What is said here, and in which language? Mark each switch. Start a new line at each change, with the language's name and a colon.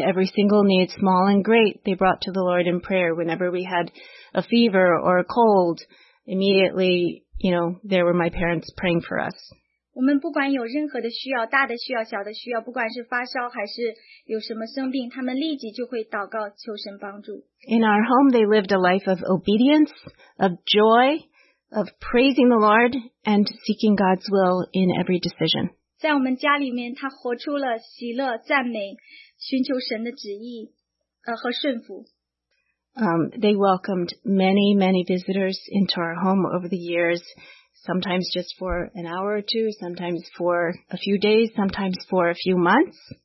English: every single need, small and great, they brought to the Lord in prayer. Whenever we had a fever or a cold, immediately, you know, there were my parents praying for us.
Chinese: 我们不管有任何的需要，大的需要、小的需要，不管是发烧还是有什么生病，他们立即就会祷告求神帮助。
English: In our home, they lived a life of obedience, of joy, of praising the Lord and seeking God's will in every decision.
Chinese: 在我们家里面，他活出了喜乐、赞美、寻求神的旨意，和顺服。
English: They welcomed many, many visitors into our home over the years, sometimes just for an hour or two, sometimes for a few days, sometimes for a few months.